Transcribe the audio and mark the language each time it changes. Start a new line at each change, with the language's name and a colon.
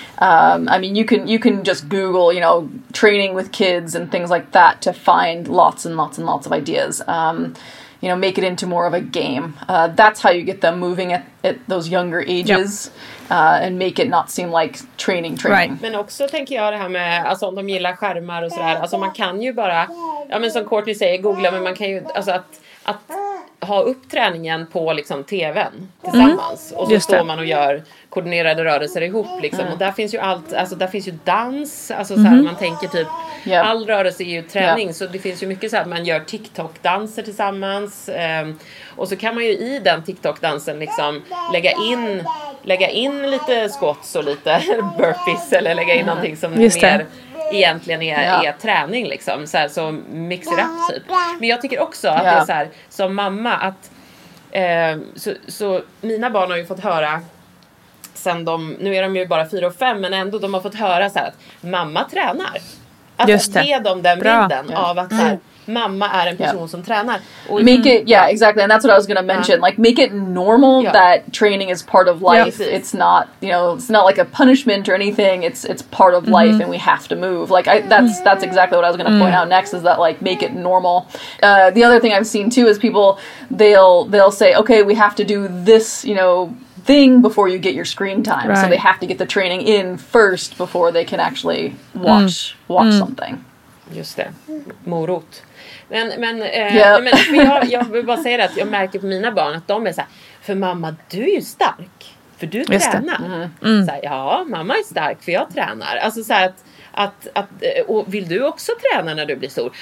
English: I mean, you can just Google, you know, training with kids and things like that to find lots and lots and lots of ideas. You know, make it into more of a game. That's how you get them moving at those younger ages. Yep. And make it not seem like training. Right.
Swedish: Men också tänker jag det här med, alltså om de gillar skärmar och sådär, alltså man kan ju bara, ja men som Courtney säger, googla, men man kan ju, alltså att ha upp träningen på liksom tvn tillsammans. Mm. Och så just står det. Man och gör koordinerade rörelser ihop liksom. Och där finns ju allt, alltså där finns ju dans, alltså så här, man tänker typ, all rörelse är ju träning, så det finns ju mycket så här, man gör TikTok-danser tillsammans. Och så kan man ju i den TikTok-dansen liksom lägga in lite squats och lite burpees eller lägga in någonting som just mer... Det. Egentligen är träning liksom. Så, här, så
English: mix it up
Swedish: typ. Men jag tycker också att det är så här, som mamma att så mina barn har ju fått höra sen de, nu är de ju bara 4 och 5, men ändå de har fått höra så här, att mamma tränar. Att ge dem den bilden av att så här, mamma är en person som tränar.
English: Exactly. And that's what I was going to mention. Like, make it normal that training is part of life. Yeah. It's not, you know, it's not like a punishment or anything. It's part of life and we have to move. Like, that's exactly what I was going to point out next, is that, like, make it normal. The other thing I've seen too is people, they'll say, okay, we have to do this, you know, thing before you get your screen time. Right. So they have to get the training in first before they can actually watch something.
Swedish: Just det, morot. Men jag vill bara säga det, att jag märker på mina barn att de är så här: för mamma, du är ju stark, för du tränar. Så här, ja, mamma är stark för jag tränar. Alltså så här att och vill du också träna när du blir stor?